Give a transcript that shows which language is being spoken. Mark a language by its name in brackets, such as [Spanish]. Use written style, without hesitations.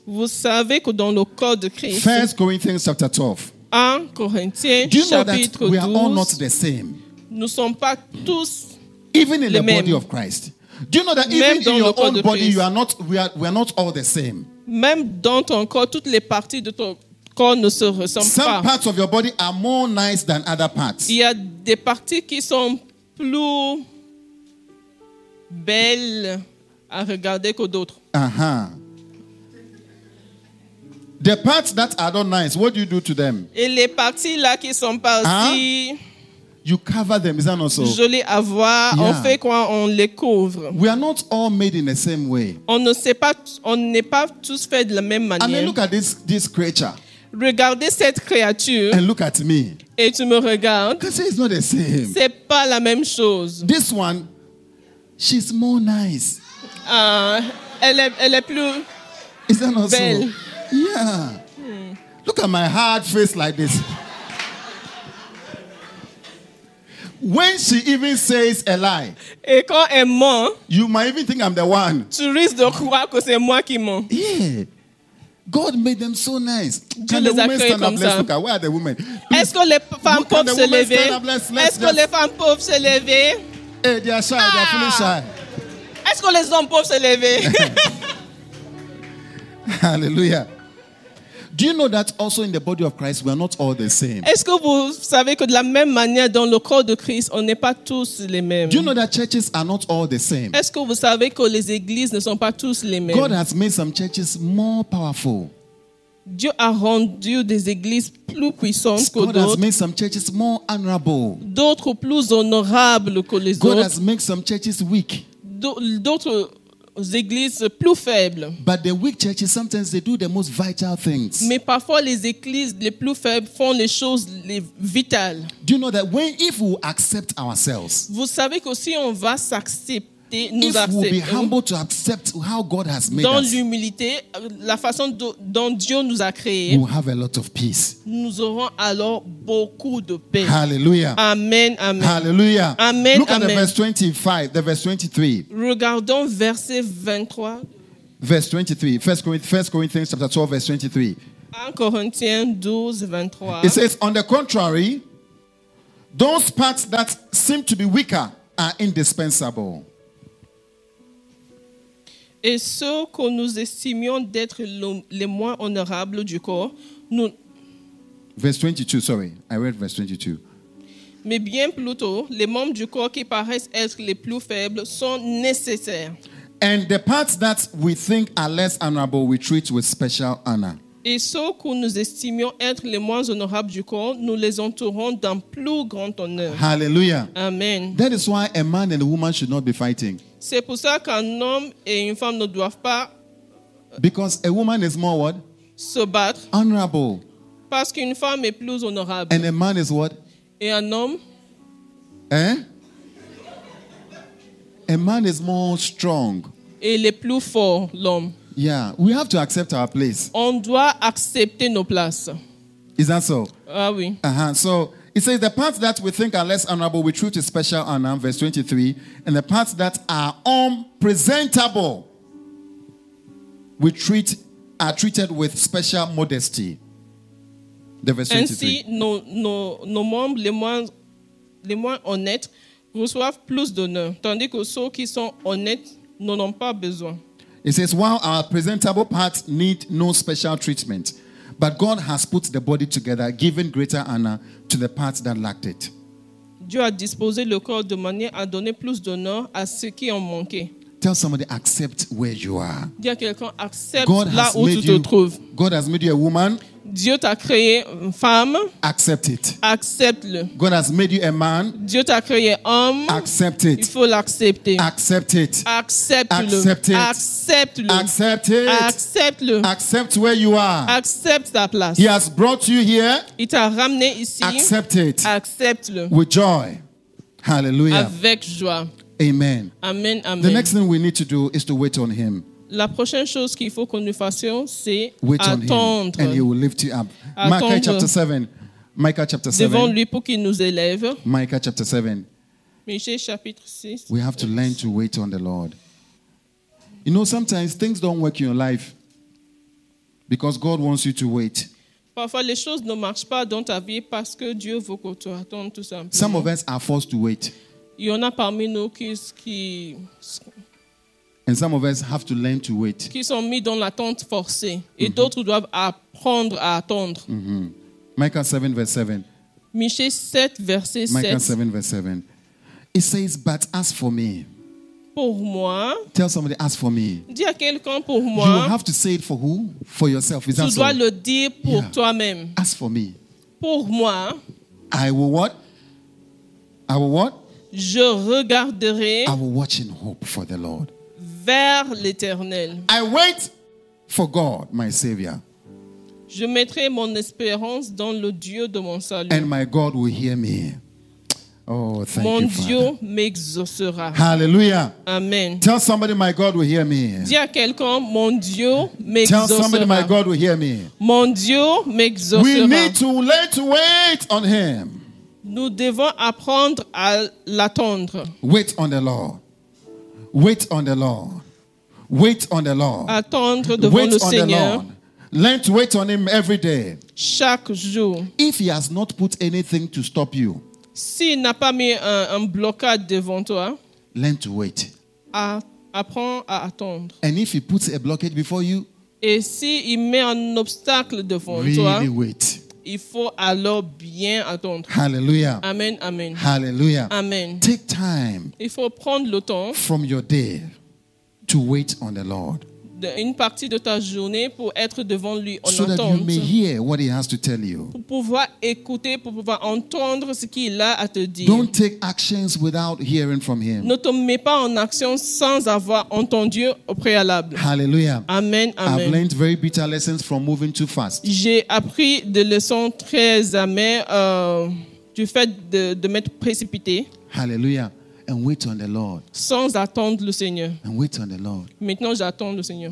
[French] Vous savez que dans le corps de Christ. [English] 1 Corinthians chapter 12. [French] 1 Corinthiens chapitre 12. [English] Do you know that we are all not the same? [French] Nous sommes pas tous [English] even in [French] les [English] the body of Christ. Do you know that [French] même [English] even in your own body you are not we are not all the same? [French] Même dans ton corps toutes les parties de ton ne se ressemble [English] some [French] pas. [English] Some parts of your body are more nice than other parts. [French] Il y a des parties qui sont plus belles à regarder que d'autres. Uh-huh. [English] The parts that are not nice, what do you do to them? [French] Et les parties là qui sont pas si... Uh-huh. [English] You cover them, is that not so? [French] Je les avoir. [English] Yeah. [French] On fait quoi? On les couvre. [English] We are not all made in the same way. [French] On ne sait pas, on n'est pas tous faits de la même manière. [English] And then look at this creature. [French] Regardez cette créature. [English] And look at me. [French] Et tu me regardes. [English] It's not the same. [French] C'est pas la même chose. [English] This one, she's more nice. [French] Elle est plus [English] is that not [French] belle. [English] So? Yeah. Look at my hard face like this. When she even says a lie. [French] Et quand elle ment. [English] You might even think I'm the one. [French] Tu risques de croire que c'est moi qui mens. [English] Yeah. God made them so nice. [French] Dieu les a créés comme ça. [English] Look at, where are the women? [French] Est-ce que les femmes peuvent se lever? Est-ce que les femmes peuvent se lever? [English] Hey, they are shy. Ah. They are feeling shy. [French] Est-ce que les hommes peuvent se lever? Hallelujah. [English] Do you know that also in the body of Christ, we are not all the same? [French] Est-ce que vous savez que de la même manière dans le corps de Christ, on n'est pas tous les mêmes? [English] Do you know that churches are not all the same? [French] Est-ce que vous savez que les églises ne sont pas tous les mêmes? [English] God has made some churches more powerful. [French] Dieu a rendu des églises plus puissantes que d'autres. [English] God has made some churches more honorable. [French] D'autres plus honorables que les [English] God [French] autres. [English] God has made some churches weak. [French] D'autres aux églises plus faibles. [English] But the weak churches, sometimes they do the most vital things. [French] Mais parfois les églises les plus faibles font les choses les vitales. [English] Do you know that when if we accept ourselves? [French] Vous savez que si on va s'accepter, nous accepter. [English] If we be humble to accept how God has made us. [French] Dans l'humilité, la façon dont Dieu nous a créés. [English] We have a lot of peace. [French] Nous aurons alors beaucoup de paix. Hallelujah. Amen, amen. Hallelujah. Amen. [English] Look amen. At the verse 25, the verse 23. [French] Regardons verset 23. [English] Verse 23. First Corinthians chapter 12, verse 23. [French] 1 Corinthiens 12, 23. [English] It says, on the contrary, those parts that seem to be weaker are indispensable. [French] Et ceux que nous estimions d'être les moins honorables du corps, nous... [English] Verse 22, sorry. I read verse 22. [French] Mais bien plutôt, les membres du corps qui paraissent être les plus faibles sont nécessaires. [English] And the parts that we think are less honorable, we treat with special honor. [French] Et ceux que nous estimions être les moins honorables du corps, nous les entourons d'un plus grand honneur. Hallelujah. Amen. [English] That is why a man and a woman should not be fighting. [French] C'est pour ça qu'un homme et une femme ne doivent pas... [English] Because a woman is more what? [French] Se battre. [English] Honorable. [French] Parce qu'une femme est plus honorable. [English] And a man is what? [French] Et un homme? Hein? [English] A man is more strong. [French] Et il est plus fort, l'homme. [English] Yeah, we have to accept our place. [French] On doit accepter nos places. [English] Is that so? [French] Ah oui. Uh-huh. [English] So, it says, the parts that we think are less honorable, we treat with special honor, verse 23. And the parts that are unpresentable, are treated with special modesty. [French] Ainsi, nos membres les moins honnêtes reçoivent plus d'honneur, tandis que ceux qui sont honnêtes n'en ont pas besoin. [English] It says, while our presentable parts need no special treatment, but God has put the body together, giving greater honor to the parts that lacked it. [French] Dieu a disposé le corps de manière à donner plus d'honneur à ceux qui ont manqué. [English] Tell somebody, accept where you are. [French] Dis à quelqu'un, accepte là où tu te trouves. [English] God has made you a woman. [French] Dieu t'a créé femme. [English] Accept it. [French] Accepte-le. [English] God has made you a man. [French] Dieu t'a créé homme. [English] Accept it. [French] Il faut l'accepter. [English] Accept it. [French] Accepte-le. [English] Accept it. [French] Accepte-le. [English] Accept it. [French] Accepte-le. [English] Accept where you are. [French] Accepte ta place. [English] He has brought you here. [French] Il t'a ramené ici. [English] Accept it. [French] Accepte-le. [English] With joy. Hallelujah. [French] Avec joie. Amen. Amen, amen. [English] The next thing we need to do is to wait on him. [French] La prochaine chose qu'il faut que nous fassions, c'est [English] wait [French] attendre. [English] And he will lift you up. Micah chapter 7. Micah chapter 7. [French] Devant lui pour qu'il nous élève. [English] Micah chapter 7. [French] Michée chapitre 6. [English] We have to learn to wait on the Lord. You know, sometimes things don't work in your life because God wants you to wait. [French] Parfois, les choses ne marchent pas dans ta vie parce que Dieu veut que tu attends tout simplement. [English] Some of us are forced to wait. [French] Il y en a parmi nous qui [English] and some of us have to learn to wait. [French] Qui sont mis dans l'attente forcée. Et mm-hmm. d'autres doivent apprendre à attendre. [English] Mm-hmm. Micah 7, verse 7. [French] Michée 7, verset 7. [English] Micah 7, verse 7. It says, but as for me. [French] Pour moi. [English] Tell somebody, as for me. [French] Dis à quelqu'un pour moi. [English] You have to say it for who? For yourself. Is [French] tu [English] that [French] dois [English] so? [French] Le dire pour [English] yeah. [French] toi-même. [English] As for me. [French] Pour moi. [English] I will what? I will what? [French] Je regarderai [English] I will watch in hope for the Lord. [French] Vers l'Éternel. [English] I wait for God, my Savior. [French] Je mettrai mon espérance dans le Dieu de mon salut. [English] And my God will hear me. Oh, thank [French] mon [English] you, [French] Mon Dieu [English] Father. [French] M'exaucera. Hallelujah. Amen. [English] Tell somebody my God will hear me. [French] Dis à quelqu'un, mon Dieu m'exaucera. [English] Tell somebody my God will hear me. [French] Mon Dieu m'exaucera. [English] We need to learn to wait on Him. [French] Nous devons apprendre à l'attendre. [English] Wait on the Lord. Wait on the Lord. Wait on the Lord. [French] Attendre devant [English] wait [French] le [English] on [French] Seigneur. [English] The Lord. Learn to wait on him every day. [French] Chaque jour. [English] If he has not put anything to stop you. [French] S'il n'a pas mis un blocage devant toi. [English] Learn to wait. [French] Apprends à attendre. [English] And if he puts a blockade before you. [French] Et s'il met un obstacle devant [English] really [French] toi. [English] Really wait. [French] Il faut alors bien attendre. Hallelujah. Amen, amen. Hallelujah. Amen. [English] Take time. [French] Il faut prendre le temps. [English] From your day. To wait on the Lord. [French] Une partie de ta journée pour être devant lui en [English] so [French] attente. [English] That you may hear what he has to tell you. [French] Pour pouvoir écouter, pour pouvoir entendre ce qu'il a à te dire. [English] Don't take actions without hearing from him. [French] Ne te mets pas en action sans avoir entendu au préalable. Hallelujah. Amen, amen. [English] I've learned very bitter lessons from moving too fast. [French] J'ai appris des leçons très amères du fait de m'être précipité. [English] Hallelujah. And wait on the Lord. [French] Sans attendre le Seigneur. [English] And wait on the Lord. [French] Maintenant, j'attends le Seigneur.